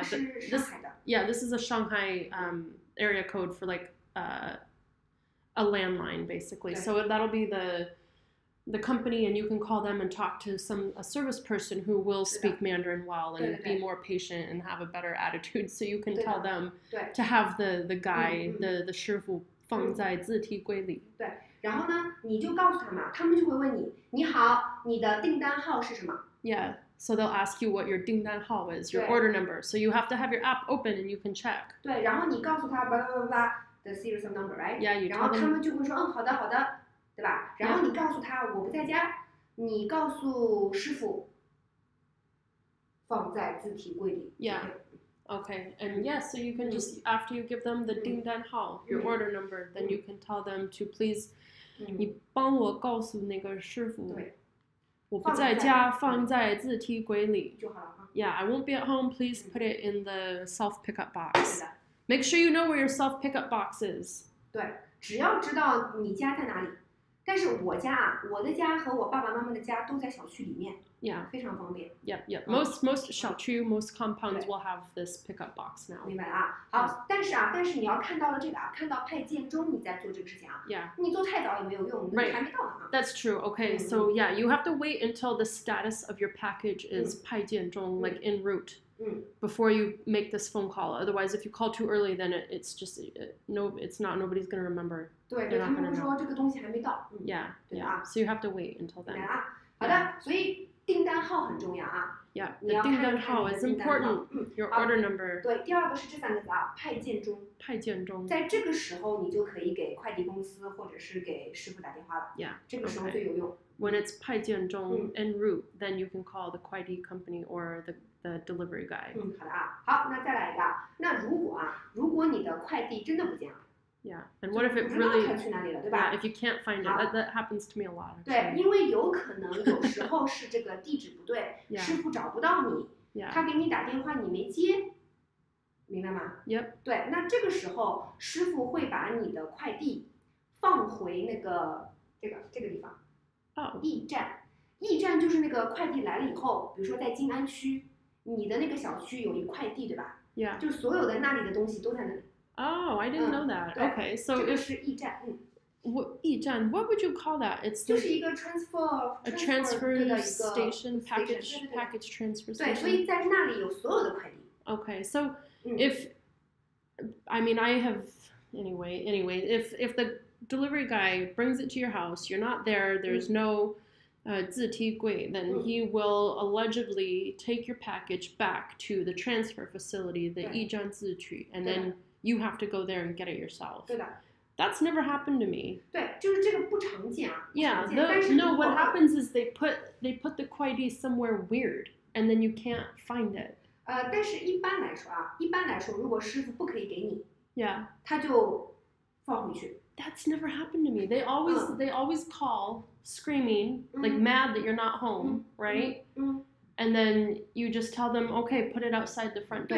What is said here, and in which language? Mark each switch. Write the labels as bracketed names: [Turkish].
[English] This is a Shanghai area code for like a landline, basically. So that'll be the company, and you can call them and talk to a service person who will speak Mandarin well and be more patient and have a better attitude. So you can tell them to have the guy, the [Chinese] 师傅放在字体柜里。然后呢，你就告诉他们，他们就会问你，你好，你的订单号是什么？ [English] Yeah, so they'll ask you what your 订单号 is, your order number. So you have to have your app open and you can check. [Chinese] 对，然后你告诉他巴拉巴拉巴拉 [English] the series of number, right? Yeah, you tell them. [Chinese] 然后他们就会说，好的，好的，对吧？然后你告诉他我不在家，你告诉师傅放在字体柜里。 [English] Yeah. Okay, and yes, so you can just, after you give them the ding dan hao, your order number, then you can tell them to please, [Chinese] 你帮我告诉那个师傅，我不在家，放在字体柜里，就好了。 [English] Yeah, I won't be at home, please put it in the self-pickup box. Make sure you know where your self-pickup box is. [Chinese] 对，只要知道你家在哪里，但是我家，我的家和我爸爸妈妈的家都在小区里面。 [English] Yeah. [Chinese] 非常方便。 [English] Yeah, yeah. Most 小区, most compounds will have this pickup box now. [Chinese] 明白了啊。好，但是啊，但是你要看到了这个啊，看到派件中你在做这个事情啊。 [English] Yeah. [Chinese] 你做太早也没有用， [English] right. [Chinese] 还没到呢啊。 [English] That's true. Okay. So yeah, you have to wait until the status of your package is 派件中, like en route. Before you make this phone call. Otherwise, if you call too early, then it's just, it's not, nobody's going to remember. [Chinese] 对, 对, 他们说这个东西还没到。 [English] Yeah, yeah. [Chinese] 对啊。 [English] So you have to wait until then. [Chinese] 明白了啊。好的，所以订单号很重要啊。 [English] Yeah, the 订单号 is important. Your order number. [Chinese] 对，第二个是这三个字啊，派件中。派件中。在这个时候你就可以给快递公司或者是给师傅打电话了。 [English] Yeah. [Chinese] 这个时候最有用。 [English] When it's 派件中 en route, then you can call the Kuaidi company or the delivery guy. [Chinese] 好的啊，好，那再来一个。那如果啊，如果你的快递真的不见了。 [English] Yeah, and what if it really, yeah, if you can't find it, that happens to me a lot. [Chinese] 对，因为有可能有时候是这个地址不对，师傅找不到你，他给你打电话你没接，明白吗？ [English] Yep. [Chinese] 对，那这个时候师傅会把你的快递放回那个这个地方。驿站，驿站就是那个快递来了以后，比如说在静安区，你的那个小区有一快递，对吧？ [English] Yeah. [Chinese] 就所有的那里的东西都在那里。 [English] Oh, I didn't know that. Okay, so what would you call that? It's the, [Chinese] 就是一个 [English] transfer station, package transfer station. [Chinese] 对，所以在那里有所有的快递。 [English] Okay, so if, I mean, I have, anyway, if the delivery guy brings it to your house, you're not there, there's no 字体柜, then he will allegedly take your package back to the transfer facility, the 驿站字体, and then you have to go there and get it yourself. [Chinese] 对的。 [English] That's never happened to me. [Chinese] 对，就是这个不常见啊。 [English] Yeah, what happens is they put the Kuaidi somewhere weird, and then you can't find it. [Chinese] 但是一般来说啊，一般来说，如果师傅不可以给你， [English] yeah. [Chinese] 他就放回去。 [English] That's never happened to me. They always, they always call screaming, like mad that you're not home, right? And then you just tell them, okay, put it outside the front door.